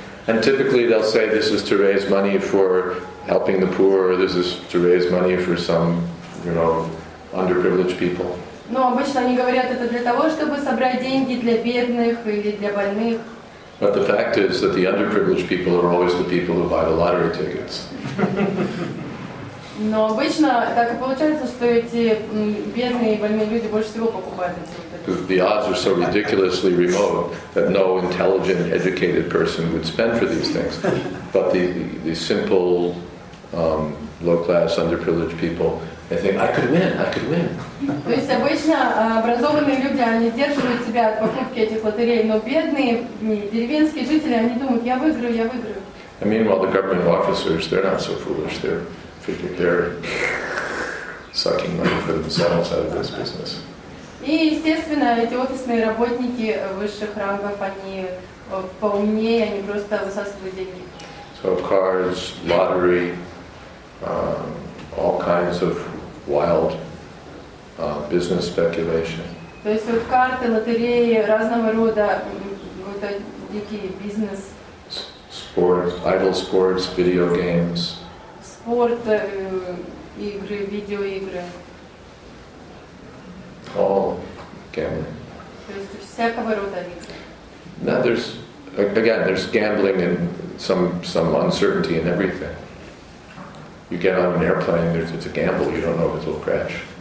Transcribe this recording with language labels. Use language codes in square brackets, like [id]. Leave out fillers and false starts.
[en] And typically they'll say this is to raise money for helping the poor, or this is to raise money for some, you know, underprivileged people. [ru] Но обычно они говорят это для того, чтобы собрать деньги для бедных или для больных. [en] But the fact is that the underprivileged people are always the people who buy the lottery tickets. [ru] Но обычно так и получается, что эти бедные и больные люди больше всего покупают. [en] The odds are so ridiculously remote that no intelligent, educated person would spend for these things. But the simple, low-class, underprivileged people, they think, I could win. [ru] То есть обычно образованные люди, они сдерживают себя от покупки этих лотерей, но бедные деревенские жители, они думают, я выиграю. [en] And meanwhile, the government officers, they're not so foolish. They're sucking money for themselves out of this business. [ru] И, естественно, эти офисные работники высших рангов, они поумнее, они просто высасывают деньги. [en] So cars, lottery, all kinds of wild business speculation. [ru] То есть вот карты, лотереи разного рода, какой-то дикий бизнес. [en] Sports, idle sports, video games. [ru] Спорт, игры, видеоигры. [en] All gambling. [ru] То есть всякого рода игры. [en] Now there's, again, there's gambling and some uncertainty in everything. You get on an airplane, it's a gamble, you don't know if it'll crash.